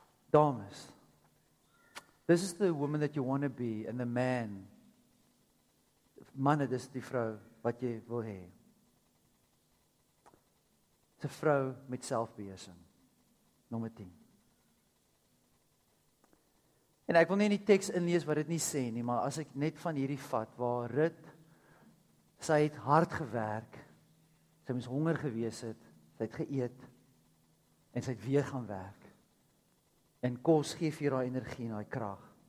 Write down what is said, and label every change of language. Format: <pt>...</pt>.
<en>Dames, this is the woman that you want to be and the man.</en> <af>Manne, dis die vrou wat jy wil hê. 'n vrou met selfbeheersing. Nommer 10. En ek wil nie in die teks inlees wat dit nie sê nie, maar as ek net van hierdie vat, waar Rut, sy het hard gewerk, sy mens honger gewees het, sy het geëet, en sy het weer gaan werk. En kos geef hier haar energie en haar krag.</af>